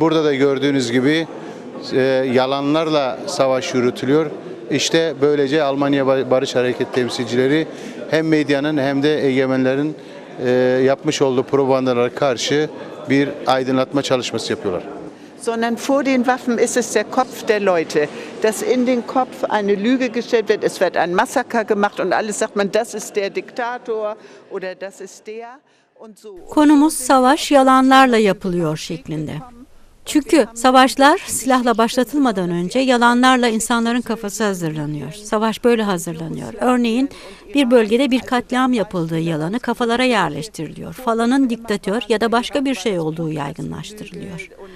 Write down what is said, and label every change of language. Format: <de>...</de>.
<tr>Burada da gördüğünüz gibi yalanlarla savaş yürütülüyor. İşte böylece Almanya Barış Hareket temsilcileri hem medyanın hem de egemenlerin yapmış olduğu propagandalara karşı bir aydınlatma çalışması yapıyorlar.</tr> <de>Sondern vor den Waffen ist es der Kopf der Leute, dass in den Kopf eine Lüge gestellt wird, es wird ein Massaker gemacht und alles sagt man, das ist der Diktator oder das ist der und so.</de> <tr>Konumuz savaş yalanlarla yapılıyor şeklinde. Çünkü savaşlar silahla başlatılmadan önce yalanlarla insanların kafası hazırlanıyor. Savaş böyle hazırlanıyor. Örneğin bir bölgede bir katliam yapıldığı yalanı kafalara yerleştiriliyor. Falanın diktatör ya da başka bir şey olduğu yaygınlaştırılıyor.</tr>